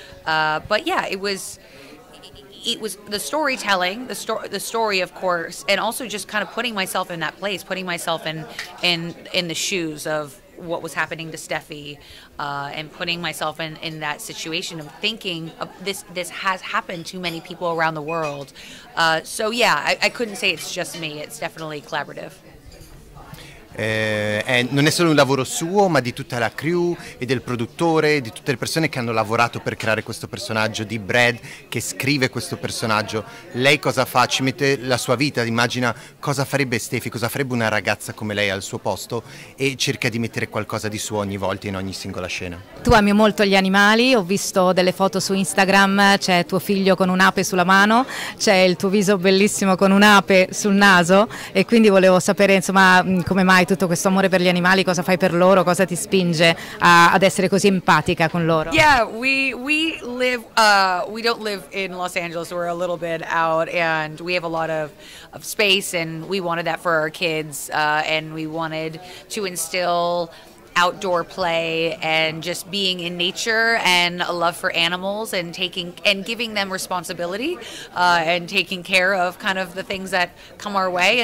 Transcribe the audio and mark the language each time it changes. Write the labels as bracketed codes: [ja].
[en] But yeah, it was the storytelling, the story, of course, and also just kind of putting myself in that place, putting myself in the shoes of what was happening to Steffy, and putting myself in that situation of thinking of this has happened to many people around the world. So yeah, I couldn't say it's just me. It's definitely collaborative. [it] Non è solo un lavoro suo, ma di tutta la crew e del produttore, di tutte le persone che hanno lavorato per creare questo personaggio, di Brad che scrive questo personaggio. Lei cosa fa? Ci mette la sua vita, immagina cosa farebbe Steffy, cosa farebbe una ragazza come lei al suo posto, e cerca di mettere qualcosa di suo ogni volta in ogni singola scena. Tu ami molto gli animali, ho visto delle foto su Instagram, c'è tuo figlio con un'ape sulla mano, c'è il tuo viso bellissimo con un'ape sul naso, e quindi volevo sapere, insomma, come mai tutto questo amore per gli animali, cosa fai per loro, cosa ti spinge ad essere così empatica con loro? [en] Yeah, we don't live in Los Angeles, we're a little bit out, and we have a lot of space, and we wanted that for our kids, and we wanted to instill outdoor play and just being in nature and a love for animals and taking and giving them responsibility and taking care of kind of the things that come our way.